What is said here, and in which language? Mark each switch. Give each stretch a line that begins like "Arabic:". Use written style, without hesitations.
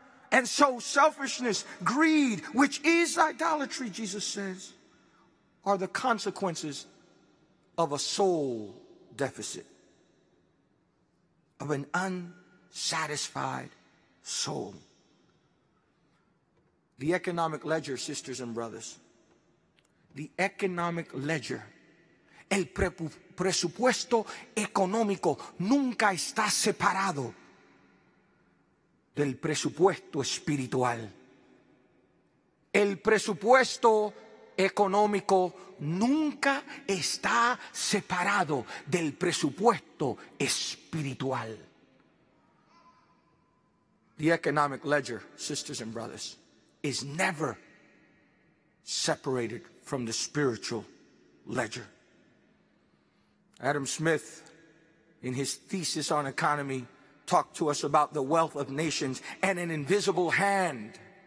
English: And so selfishness, greed, which is idolatry, Jesus says, are the consequences of a soul deficit, of an unsatisfied soul. The economic ledger, sisters and brothers, the economic ledger,
Spanish: el presupuesto económico nunca está separado del presupuesto espiritual. El presupuesto económico nunca está separado del presupuesto espiritual.
English: The economic ledger, sisters and brothers, is never separated from the spiritual ledger. Adam Smith, in his thesis on economy, talked to us about the wealth of nations and an invisible hand.